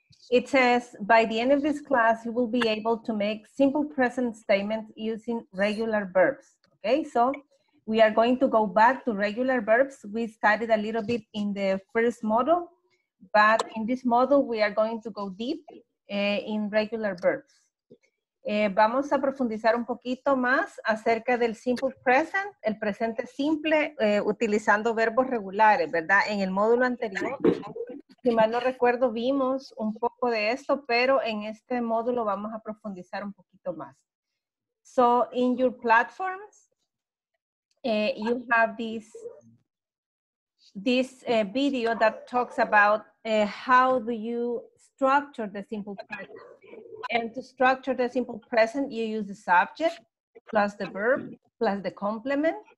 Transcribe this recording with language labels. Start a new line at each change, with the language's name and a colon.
English: It says, by the end of this class, you will be able to make simple present statements using regular verbs. Okay, so we are going to go back to regular verbs. We studied a little bit in the first module, but in this module, we are going to go deep in regular verbs.
Spanish: Vamos a profundizar un poquito más acerca del simple present, el presente simple, utilizando verbos regulares, ¿verdad? En el módulo anterior. Si mal no recuerdo, vimos un poco de esto, pero en este módulo vamos a profundizar un poquito más.
English: So, in your platforms, you have this video that talks about how do you structure the simple present. And to structure the simple present, you use the subject plus the verb plus the complement.